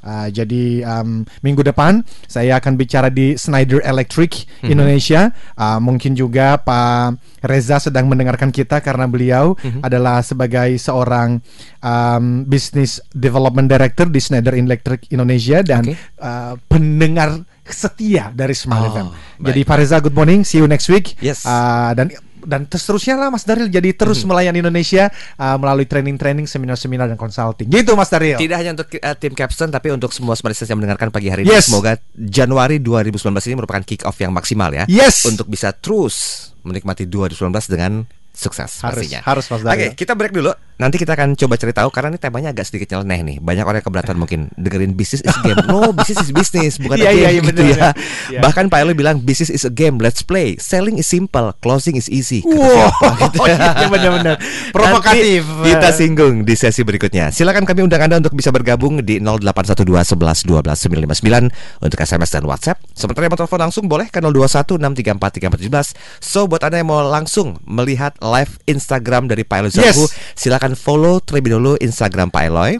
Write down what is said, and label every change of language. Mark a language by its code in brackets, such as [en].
[id] Jadi minggu depan saya akan bicara di Schneider Electric Indonesia. Mungkin juga Pak Reza sedang mendengarkan kita karena beliau adalah sebagai seorang business development director di Schneider Electric Indonesia, dan pendengar setia dari Smart FM. [en] Jadi Pak Reza, good morning, see you next week. [id] Dan seterusnya lah Mas Daryl. Jadi terus melayani Indonesia melalui training-training, seminar-seminar dan consulting. Gitu Mas Daryl. Tidak hanya untuk tim Capstone, tapi untuk semua Smart Listeners yang mendengarkan pagi hari ini. Semoga Januari 2019 ini merupakan kick off yang maksimal ya. Untuk bisa terus menikmati 2019 dengan sukses. Harus Mas Daryl. Oke, kita break dulu. Nanti kita akan coba cerita, karena ini temanya agak sedikit nyeleneh nih. Banyak orang yang keberatan mungkin dengerin [en] business is a game. No, business is business, [id] bukan game. Bahkan Pak Elo bilang [en] business is a game, let's play. Selling is simple, closing is easy. [id] Benar-benar provokatif. Nanti kita singgung di sesi berikutnya. Silakan kami undang Anda untuk bisa bergabung di 0812 11 12 959 untuk SMS dan WhatsApp. Sementara yang mau telepon langsung boleh ke 0216343417. So buat Anda yang mau langsung melihat live Instagram dari Pak Elo Zaku, silakan follow terlebih dulu Instagram Pak Eloy.